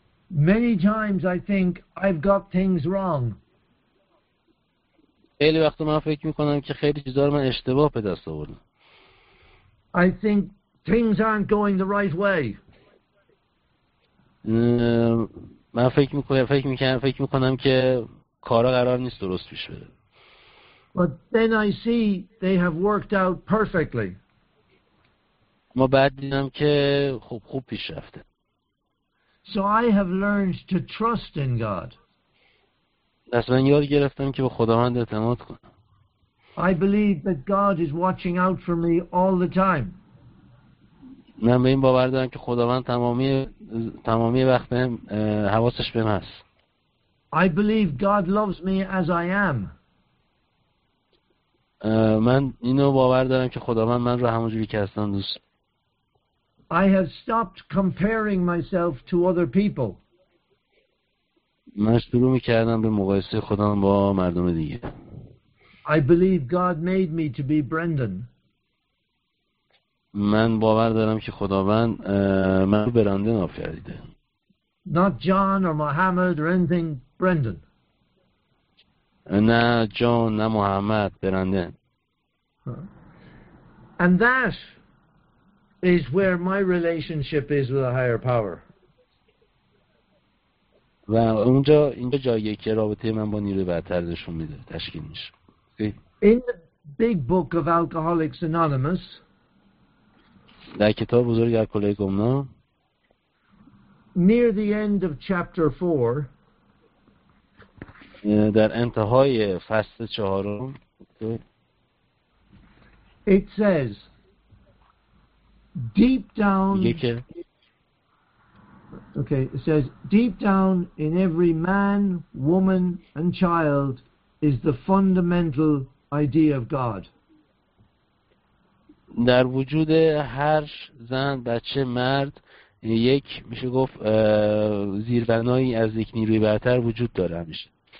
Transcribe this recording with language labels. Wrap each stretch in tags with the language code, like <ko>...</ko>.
<en>Many times I think I've got things wrong.</en> <fa>خیلی وقت من فکر میکنم که خیلی چیزا رو من اشتباه به دست آوردم.</fa> <en>I think things aren't going the right way.</en> <fa>من فکر میکنم که کارا قرار نیست درست پیش بره.</fa> <en>But then I see they have worked out perfectly.</en> <fa>ما بعد دیدم که خوب پیش رفته.</fa> <en>So I have learned to trust in God.</en> <fa>پس من یاد گرفتم که به خداوند اعتماد کنم.</fa> <en>I believe that God is watching out for me all the time.</en> <fa>من به این باور دارم که خداوند تمامی وقت بهم حواسش بهم هست.</fa> <en>I believe God loves me as I am.</en> <fa>من اینو باور دارم که خداوند من رو همونجوری که هستم دوست.</fa> <en>I have stopped comparing myself to other people.</en> <fa>من شروع می‌کردم به مقایسه خودم با مردم دیگه.</fa> <en>I believe God made me to be Brendan.</en> <fa>من باور دارم که خداوند من رو برندن آفریده.</fa> <en>Not John or Muhammad or anything, Brendan.</en> <fa>نه جان نه محمد برندن.</fa> <en>And that is where my relationship is with a higher power.</en> <fa>و اونجا جاییه که رابطه من با نیروی برتر نشون میده تشکیل میشه.</fa> <en>In the big book of Alcoholics Anonymous.</en> <fa>در کتاب بزرگ الکلی گمنام.</fa> <en>Near the end of chapter 4.</en> <fa>در انتهای فصل چهارم.</fa> <en>It says. Deep down. Okay, it says, deep down in every man, woman, and child is the fundamental idea of God.</en> <fa>در وجود هر زن، بچه، مرد یک میشه گفت زیربنایی از یک نیروی برتر وجود داره همیشه.</fa>